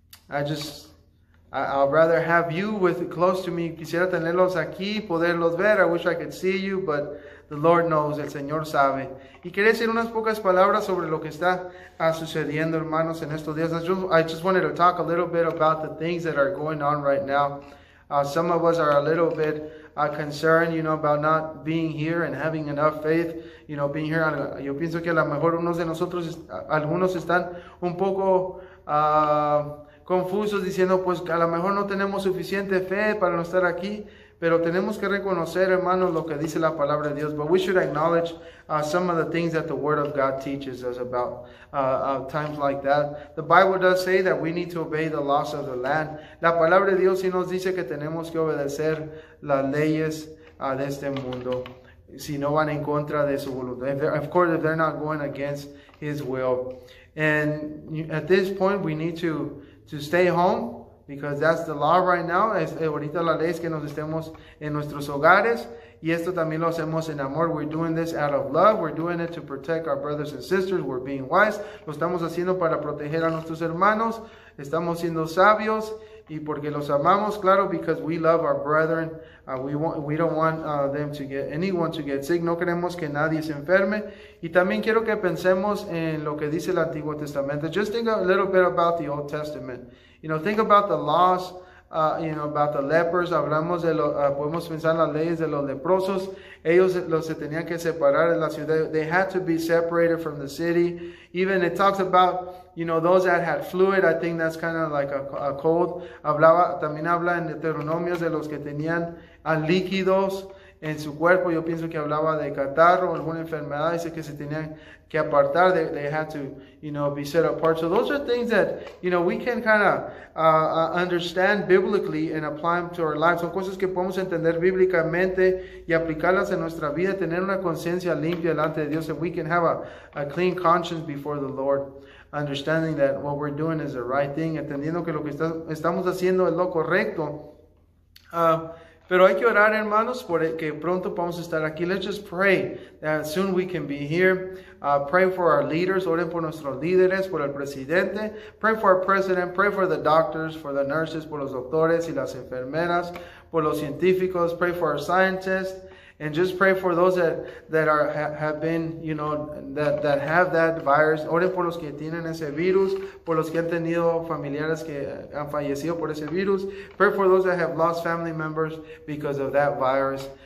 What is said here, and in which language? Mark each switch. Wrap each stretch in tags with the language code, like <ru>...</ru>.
<en>I'd rather have you with close to me.</en> <es>Quisiera tenerlos aquí, poderlos ver.</es> <en>I wish I could see you, but the Lord knows,</en> <es>el Señor sabe. Y quería decir unas pocas palabras sobre lo que está sucediendo, hermanos, en estos días.</es> <en>I just wanted to talk a little bit about the things that are going on right now. Some of us are a little bit concerned, you know, about not being here and having enough faith, you know, being here.</en> <es>Yo pienso que a lo mejor unos de nosotros, algunos están un poco confusos, diciendo, pues a lo mejor no tenemos suficiente fe para no estar aquí. Pero tenemos que reconocer, hermanos, lo que dice la palabra de Dios.</es> <en>But we should acknowledge some of the things that the Word of God teaches us about times like that. The Bible does say that we need to obey the laws of the land.</en> <es>La palabra de Dios sí nos dice que tenemos que obedecer las leyes de este mundo, si no van en contra de su voluntad.</es> <en>Of course, if they're not going against His will. And at this point, we need to stay home. Because that's the law right now.</en> <es>Ahorita la ley es que nos estemos en nuestros hogares. Y esto también lo hacemos en amor.</es> <en>We're doing this out of love. We're doing it to protect our brothers and sisters. We're being wise.</en> <es>Lo estamos haciendo para proteger a nuestros hermanos. Estamos siendo sabios. Y porque los amamos, claro,</es> <en>because we love our brethren. We don't want anyone to get sick.</en> <es>No queremos que nadie se enferme. Y también quiero que pensemos en lo que dice el Antiguo Testamento.</es> <en>Just think a little bit about the Old Testament. You know, think about the laws, you know, about the lepers.</en> <es>Hablamos de los, podemos pensar las leyes de los leprosos. Ellos los se tenían que separar de la ciudad.</es> <en>They had to be separated from the city. Even it talks about, you know, those that had fluid. I think that's kind of like a cold.</en> <es>También habla en Deuteronomios de los que tenían líquidos en su cuerpo. Yo pienso que hablaba de catarro o alguna enfermedad. Dice que se tenían que apartar.</es> <en>They had to, you know, be set apart. So those are things that, you know, we can kind of understand biblically and apply them to our lives.</en> <es>Son cosas que podemos entender bíblicamente y aplicarlas en nuestra vida. Tener una conciencia limpia delante de Dios.</es> <en>And we can have a clean conscience before the Lord. Understanding that what we're doing is the right thing.</en> <es>Entendiendo que lo que estamos haciendo es lo correcto. Pero hay que orar, hermanos, por que pronto podamos estar aquí.</es> <en>Let's just pray that soon we can be here. Pray for our leaders.</en> <es>Oren por nuestros líderes, por el presidente.</es> <en>Pray for our president. Pray for the doctors, for the nurses,</en> <es>por los doctores y las enfermeras, por los científicos.</es> <en>Pray for our scientists. And just pray for those that have that virus.</en> <es>Oren por los que tienen ese virus, por los que han tenido familiares que han fallecido por ese virus.</es> <en>Pray for those that have lost family members because of that virus.</en>